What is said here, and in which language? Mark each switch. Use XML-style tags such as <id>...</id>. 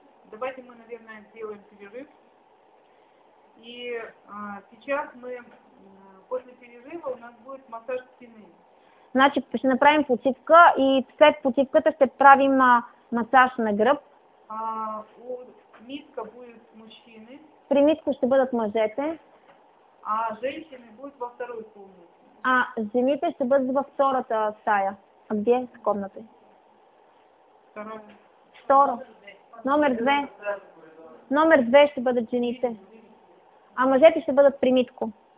<ru>Давайте мы, наверное, сделаем перерыв. И сейчас мы, после перерыва у нас будет массаж спины.</ru> <bg>Значит, ще направим почивка и след почивката ще правим масаж на гръб.</bg> <ru>У миска будут мужчины.</ru> <bg>При миска ще бъдат мъжете.</bg> <ru>А женщины будут во второй комнате.</ru> <bg>А жените ще бъдат във втората стая.</bg> <ru>А где комната?</ru> <bg>Второ. Номер две. Номер две ще бъдат жените. А мъжете ще бъдат при митко.</bg>